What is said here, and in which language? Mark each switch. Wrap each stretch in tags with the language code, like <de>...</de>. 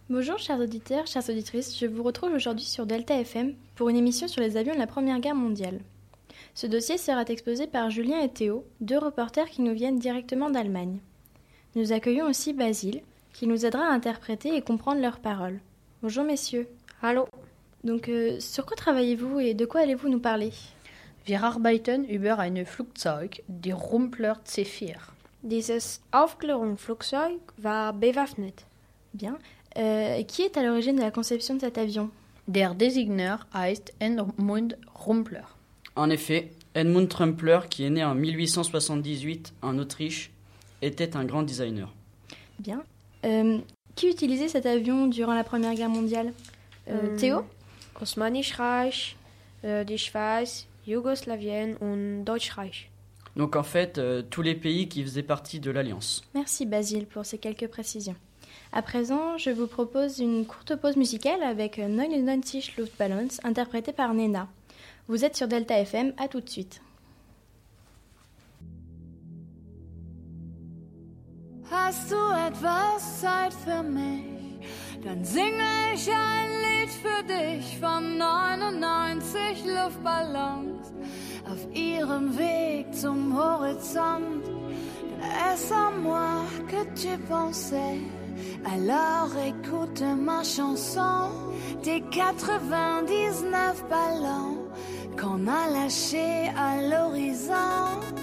<fr>Bonjour chers auditeurs, chères auditrices, je vous retrouve aujourd'hui sur Delta FM pour une émission sur les avions de la Première Guerre mondiale. Ce dossier sera exposé par Julien et Théo, deux reporters qui nous viennent directement d'Allemagne. Nous accueillons aussi Basile, qui nous aidera à interpréter et comprendre leurs paroles. Bonjour messieurs. Allô. Donc, sur quoi travaillez-vous et de quoi allez-vous nous parler?</fr> <de>Wir arbeiten über ein Flugzeug, die Rumpler Zephyr. Dieses Aufklärungsflugzeug war bewaffnet.</de> <fr>Bien. Qui est à l'origine de la conception de cet avion?</fr> <de>Der Designer heißt Edmund Rumpler.</de> <fr>En effet, Edmund Rumpler, qui est né en 1878 en Autriche, était un grand designer. Bien. Qui utilisait cet avion durant la Première Guerre mondiale? Théo?</fr> <de>Osmanisches Reich, die Schweiz, Jugoslawien und Deutschreich.</de> <fr>Donc en fait, tous les pays qui faisaient partie de l'Alliance. Merci Basile pour ces quelques précisions. À présent, je vous propose une courte pause musicale avec 99 Luftballons, interprété par Nena. Vous êtes sur Delta FM, à tout de suite.</fr> <de>Hast du etwas Zeit für mich? Dann singe ich ein Lied für dich von 99 Luftballons auf ihrem Weg zum Horizont.</de> <fr>Est-ce à moi que tu pensais? Alors écoute ma chanson, tes 99 ballons qu'on a lâchés à l'horizon.</fr>